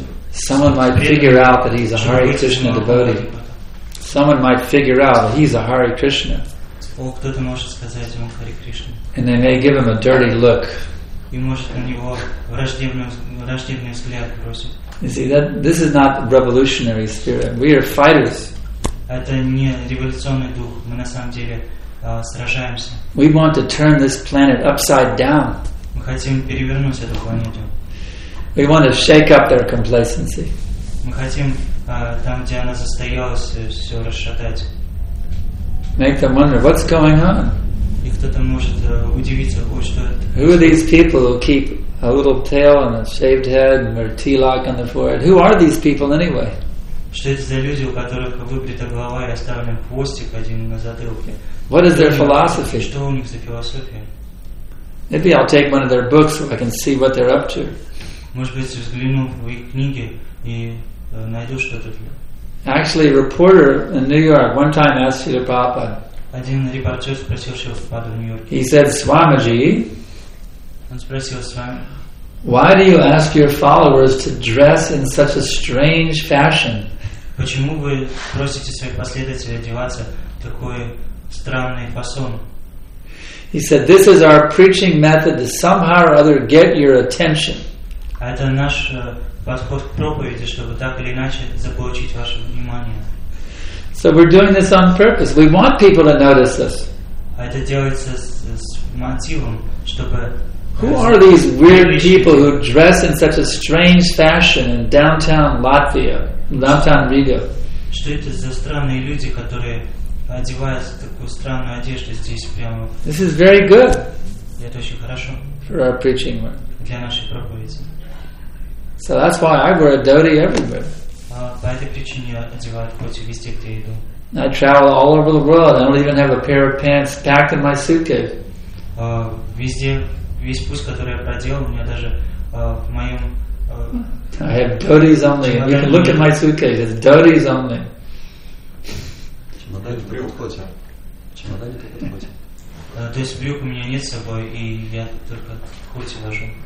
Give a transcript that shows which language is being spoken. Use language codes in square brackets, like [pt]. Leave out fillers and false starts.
[en] Someone might figure out that he's a Hare Krishna devotee. Someone might figure out that he's a Hare Krishna. [ru] О, кто-то может сказать, он Хари Кришна. [en] And they may give him a dirty look. [ru] и может на него враждебный взгляд бросить. [en] You see, that this is not revolutionary spirit. We are fighters. [ru] Это не революционный дух. Мы на самом деле сражаемся. [en] We want to turn this planet upside down. [ru] Мы хотим перевернуть эту планету. [en] We want to shake up their complacency. [ru] Мы хотим там, где она застоялась, все расшатать. [en] Make them wonder what's going on. [ru] И кто-то может удивиться, ой, что это. [en] Who are these people who keep a little tail and a shaved head and wear tilak on the forehead? Who are these people anyway? [ru] Что это за люди, у которых выбрита голова и оставлен хвостик один на затылке? [en] What is their philosophy? [ru] Что у них за философия? [en] Maybe I'll take one of their books so I can see what they're up to. [ru] Может быть, взгляну в их книги и найду что-то. [en] Actually, a reporter in New York one time asked Srila Prabhupada. [ru] Один репортер спросил Шрилу Прабхупаду в Нью-Йорке. [en] He said, Swamiji. [ru] Он спросил Свами. [en] Why do you ask your followers to dress in such a strange fashion? [ru] Почему вы просите своих последователей одеваться в такой странный фасон? [en] He said, this is our preaching method to somehow or other get your attention. [ru] Это наш подход к проповеди, чтобы так или иначе заполучить ваше внимание. [en] So we're doing this on purpose. We want people to notice us. [ru] Это делается с мотивом, чтобы. [en] Who are these weird people who dress in such a strange fashion in downtown Latvia, downtown Riga? [ru] Что это за странные люди, которые одеваются в такую странную одежду здесь прямо? [en] This is very good. [ru] Это очень хорошо. [en] For our preaching work. [ru] Для нашей проповеди. [en] So that's why I wear a dhoti everywhere. [ru] По этой причине я одеваю дхоти везде, где я иду. [en] I travel all over the world. I don't even have a pair of pants packed in my suitcase. [ru] Везде, весь путь, который я проделал, у меня даже в моем. [en] I have dhotis only. You can look at my suitcase. It's dhotis only. [ru] Чемодане брюк хоть. Чемодане только хоть. То есть брюк у меня нет с собой, и я только хоть вожу.